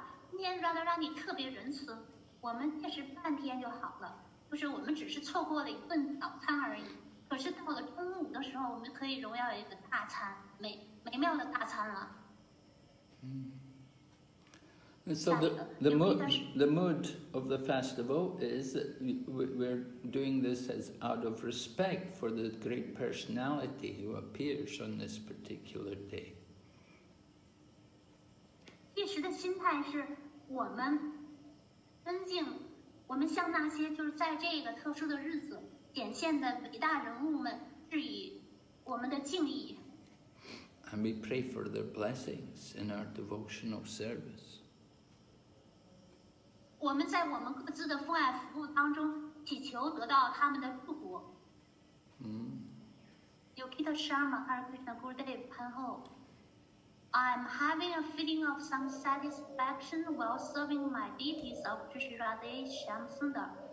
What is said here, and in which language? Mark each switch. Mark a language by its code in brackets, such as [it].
[zh] 今天 Radharani 特别仁慈，我们戒食半天就好了，就是我们只是错过了一顿早餐而已，可是到了中午的时候我们可以荣耀一个大餐，美妙的大餐了。 [en] So the mood of the festival is that we're doing this as out of respect for the great personality who appears on this particular day. [zh] 心态是我们尊敬，我们向那些就是在这个特殊的日子显现的伟大人物们致以我们的敬意。 [en] And we pray for their blessings in our devotional service. [zh] 我们在我们各自的奉爱服务当中祈求得到他们的祝福。 [en] Yogita Sharma Hare Krishna Gurudev Panho. I'm having a feeling of some satisfaction while serving my deities of Trishi Radhe Shyam Sundar.